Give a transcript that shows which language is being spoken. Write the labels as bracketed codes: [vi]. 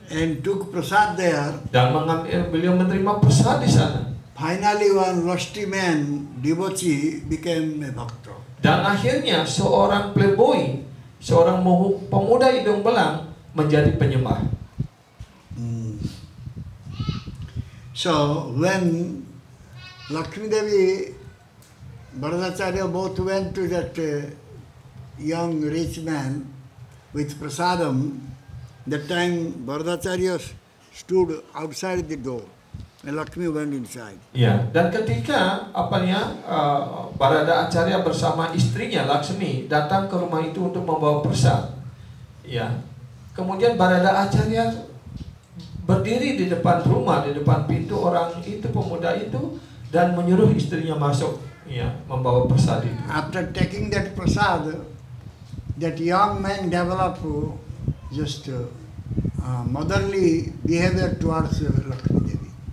[en] And took prasad there. [id] Dan mengambil, beliau menerima prasad di sana. [en] Finally, one lusty man, devotee, became a bhakta. [id] Dan akhirnya seorang playboy, seorang pemuda hidung belang menjadi penyembah. [en] So when Lakshmi Devi, Bharatacharya both went to that young rich man with prasadam, that time Bharatacharya stood outside the door and Lakshmi went inside. [id] Yeah. Dan ketika Radha Acharya bersama istrinya Lakshmi datang ke rumah itu untuk membawa prasad. Yeah. Kemudian Radha Acharya berdiri di depan rumah, di depan pintu orang itu, pemuda itu, dan menyuruh istrinya masuk, ya, membawa prasad itu. [en] After taking that prasad, that young man developed just motherly behavior towards Lakshmi Devi.